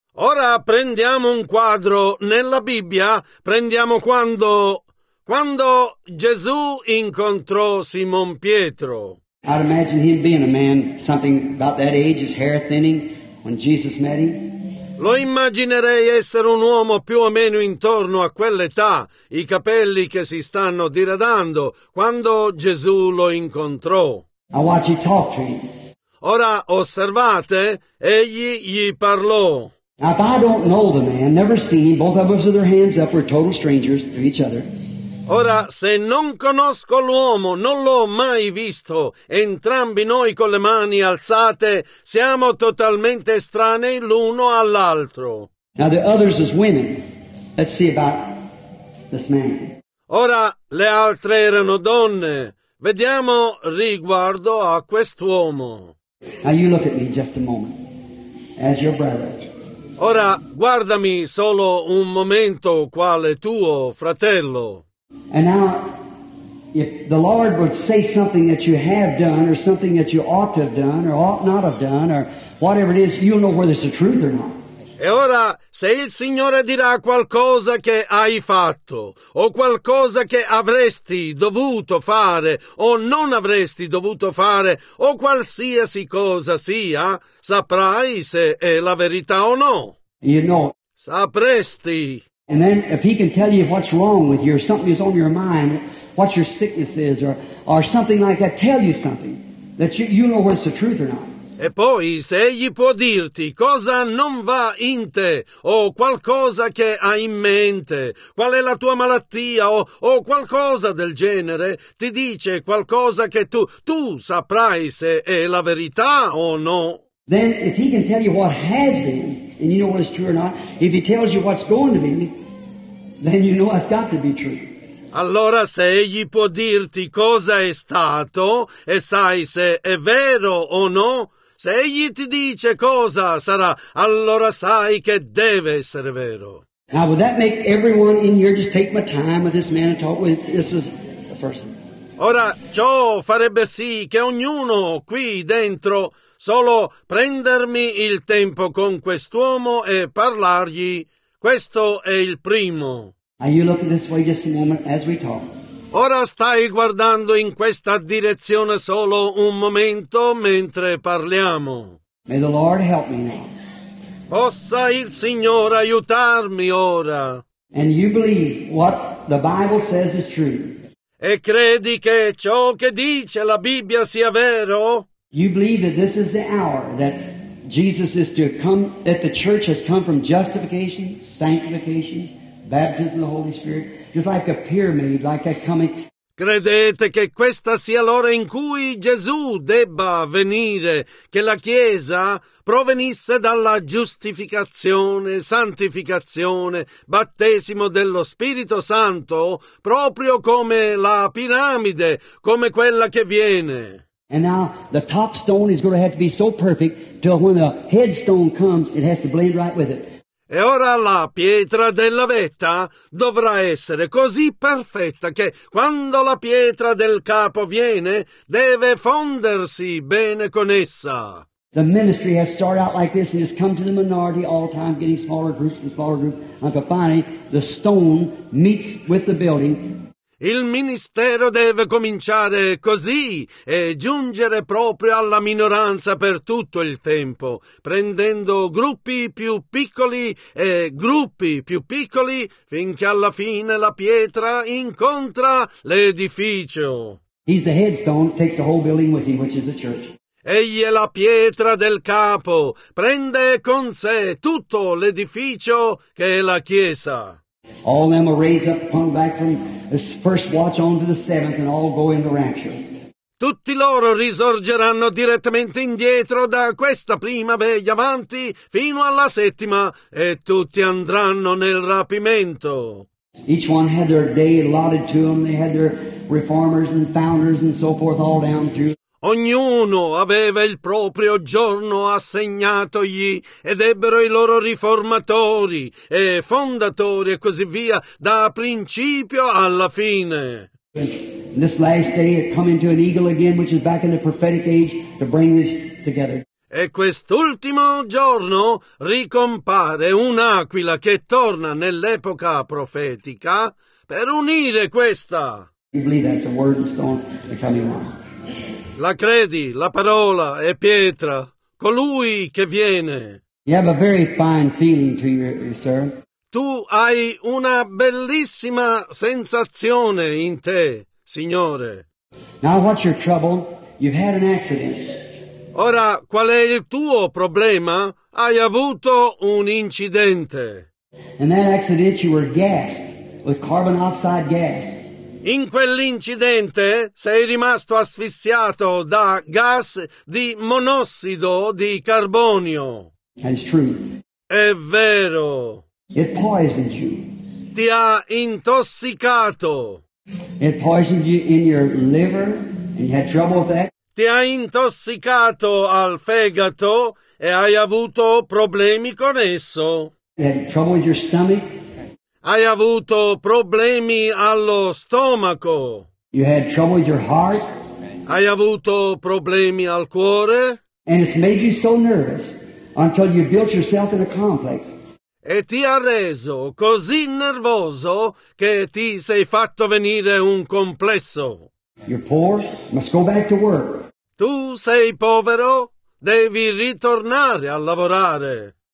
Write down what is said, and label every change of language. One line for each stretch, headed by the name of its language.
Italian: Ora prendiamo un quadro nella Bibbia. Prendiamo quando Gesù incontrò Simon Pietro.
English: I'd imagine him being a man something about that age, his hair thinning, when Jesus met him.
Italian: Lo immaginerei essere un uomo più o meno intorno a quell'età, i capelli che si stanno diradando, quando Gesù lo incontrò.
English: I watch you talk to him.
Italian: Ora osservate, egli gli parlò.
English: Now if I don't know the man, never seen him, both of us with our hands up, we're total strangers to each other.
Italian: Ora, se non conosco l'uomo, non l'ho mai visto, entrambi noi con le mani alzate, siamo totalmente estranei l'uno all'altro.
English: Now the others is women. Let's see about this man.
Italian: Ora, le altre erano donne. Vediamo riguardo a quest'uomo.
English: Now you look at me just a moment, as your brother.
Italian: Ora, guardami solo un momento, quale tuo fratello.
English: And now, if the Lord would say something that you have done, or something that you ought to have done, or ought not have done, or whatever it is, you'll know whether it's the truth or not.
Italian: E ora, se il Signore dirà qualcosa che hai fatto, o qualcosa che avresti dovuto fare, o non avresti dovuto fare, o qualsiasi cosa sia, saprai se è la verità o no.
English: You know.
Italian: Sapresti.
English: And then if he can tell you what's wrong with you, or something is on your mind, what your sickness is, or something like that, tell you something, that you know what's the truth or not.
Italian: E poi, se egli può dirti cosa non va in te, o qualcosa che hai in mente, qual è la tua malattia, o qualcosa del genere, ti dice qualcosa che tu saprai se è la verità o no.
English: Then if he can tell you what has been, and you know what is true or not, if he tells you what's going to be, then you know it's got to be true.
Italian: Allora se egli può dirti cosa è stato e sai se è vero o no, se egli ti dice cosa sarà, allora sai che deve essere vero.
English: Now would that make everyone in here just take my time with this man and talk with this is the first one.
Italian: Ora ciò farebbe sì che ognuno qui dentro solo prendermi il tempo con quest'uomo e parlargli, questo è il primo.
English: Are you looking this way just a moment as we talk?
Italian: Ora stai guardando in questa direzione solo un momento mentre parliamo.
English: May the Lord help me now.
Italian: Possa il Signore aiutarmi ora.
English: And you believe what the Bible says is true.
Italian: E credi che ciò che dice la Bibbia sia vero?
English: You believe that this is the hour that Jesus is to come, that the church has come from justification, sanctification, baptism of the Holy Spirit, just like a pyramid, like that coming.
Italian: Credete che questa sia l'ora in cui Gesù debba venire, che la Chiesa provenisse dalla giustificazione, santificazione, battesimo dello Spirito Santo, proprio come la piramide, come quella che viene.
English: And now the top stone is going to have to be so perfect till when the headstone comes, it has to blend right with it.
Italian: E ora la pietra della vetta dovrà essere così perfetta che quando la pietra del capo viene, deve fondersi bene con essa.
English: The ministry has started out like this and has come to the minority all the time, getting smaller groups and smaller groups, until finally the stone meets with the building.
Italian: Il ministero deve cominciare così e giungere proprio alla minoranza per tutto il tempo, prendendo gruppi più piccoli e gruppi più piccoli finché alla fine la pietra incontra l'edificio.
English: He's the headstone, takes the whole building with him, which is the church.
Italian: Egli è la pietra del capo, prende con sé tutto l'edificio che è la chiesa.
English: All them will raise up, come back from the first watch on to the seventh, and all go into rapture.
Italian: Tutti loro risorgeranno direttamente indietro da questa prima veglia avanti fino alla settima, e tutti andranno nel rapimento.
English: Each one had their day allotted to them. They had their reformers and founders and so forth all down through.
Italian: Ognuno aveva il proprio giorno assegnatogli ed ebbero i loro riformatori e fondatori e così via da principio alla fine.
English: This last day it come into an eagle again, which is back in the prophetic age, to bring this together.
Italian: E quest'ultimo giorno ricompare un'aquila che torna nell'epoca profetica per unire questa.
English: You believe that the word and stone are coming on.
Italian: La credi, la parola è pietra, colui che viene.
English: You have a very fine feeling to you, sir.
Italian: Tu hai una bellissima sensazione in te, Signore.
English: Now what's your trouble? You've had an accident.
Italian: Ora, qual è il tuo problema? Hai avuto un incidente.
English: In that accident you were gassed with carbon monoxide gas.
Italian: In quell'incidente sei rimasto asfissiato da gas di monossido di carbonio.
English: That's true.
Italian: È vero.
English: It poisoned you.
Italian: Ti ha intossicato.
English: It poisoned you in your liver and you had trouble with that.
Italian: Ti ha intossicato al fegato e hai avuto problemi con esso.
English: You had trouble with your stomach.
Italian: Hai avuto problemi allo stomaco.
English: You had trouble with your heart.
Italian: Hai avuto problemi al cuore.
English: And it's made you so nervous until you built yourself in a complex.
Italian: E ti ha reso così nervoso che ti sei fatto venire un complesso.
English: You're poor, must go back to work.
Italian: Tu sei povero, devi ritornare a lavorare.